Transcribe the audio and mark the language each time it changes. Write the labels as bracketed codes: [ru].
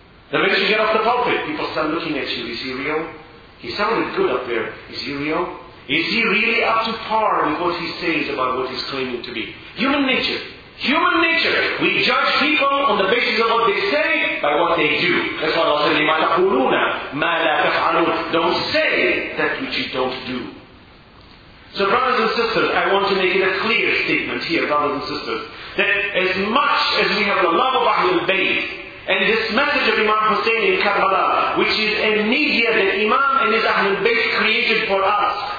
[en] The minute you get off the pulpit, people start looking at you. Is he real? He sounded good up there. Is he real? Is he really up to par with what he says about what he's claiming to be? Human nature. Human nature. We judge people on the basis of what they say by what they do. That's what Allah said, [ar] لِمَا تَقُولُونَ مَا لَا تَفْعَلُونَ. [en] Don't say that which you don't do. So brothers and sisters, I want to make it a clear statement here, brothers and sisters, that as much as we have the love of Ahlul Bayt, and this message of Imam Hussein in Karbala, which is a media that Imam and his Ahlul Bayt created for us.